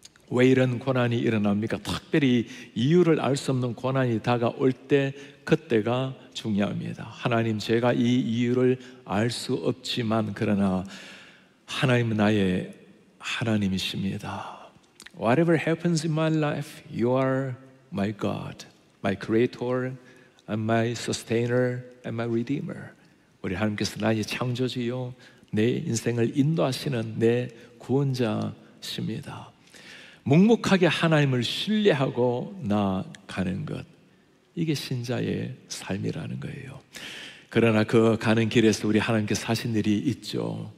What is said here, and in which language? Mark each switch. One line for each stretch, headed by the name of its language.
Korean: 왜 이런 고난이 일어납니까? 특별히 이유를 알 수 없는 고난이 다가올 때 그때가 중요합니다. 하나님, 제가 이 이유를 알 수 없지만 그러나 하나님은 나의 하나님이십니다.
English: Whatever happens in my life, you are my God, my creator, and my sustainer, and my redeemer.
Korean: 우리 하나님께서 나의 창조주요, 내 인생을 인도하시는 내 구원자십니다. 묵묵하게 하나님을 신뢰하고 나아가는 것, 이게 신자의 삶이라는 거예요. 그러나 그 가는 길에서 우리 하나님께서 하신 일이 있죠.